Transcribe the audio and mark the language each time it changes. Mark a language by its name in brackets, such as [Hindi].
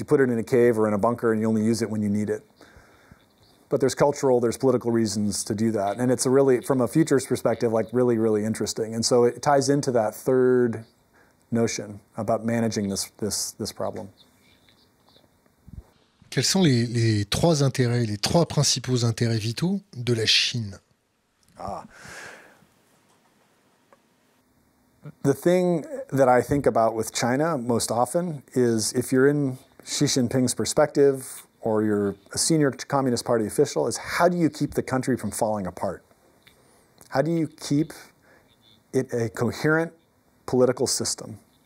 [English] You put it in a cave or in a bunker and you only use it when you need it. But there's cultural, there's political reasons to do that. And it's a really, from a futures perspective, like really, really interesting. And so it ties into that third notion about managing this problem. [French] Quels sont les trois intérêts, les trois principaux intérêts vitaux de la Chine? Ah. [English] The thing that I think about with China most often is if you're in Xi Jinping's perspective or you're a senior Communist Party official, is how do you keep the country from falling apart? How do you keep it a coherent political system?